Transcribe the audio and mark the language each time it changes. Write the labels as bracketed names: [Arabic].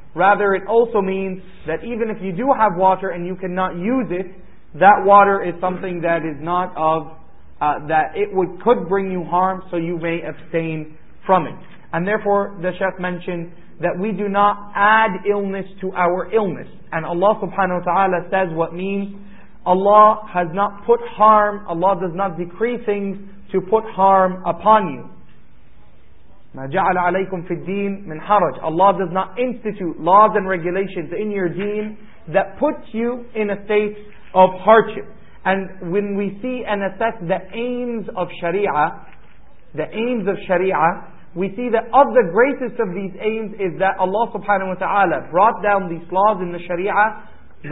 [English] Rather, it also means that even if you do have water and you cannot use it, that water is something that is not of that it would could bring you harm, so you may abstain from it. And therefore, the Shaykh mentioned that we do not add illness to our illness. And Allah subhanahu wa ta'ala says what means. Allah has not put harm, Allah does not decree things to put harm upon you. [Arabic] ما جعل عليكم في الدين من حرج. [English] Allah does not institute laws and regulations in your deen that puts you in a state of hardship. And when we see and assess the aims of Sharia, the aims of Sharia, we see that of the greatest of these aims is that Allah subhanahu wa ta'ala brought down these laws in the Sharia.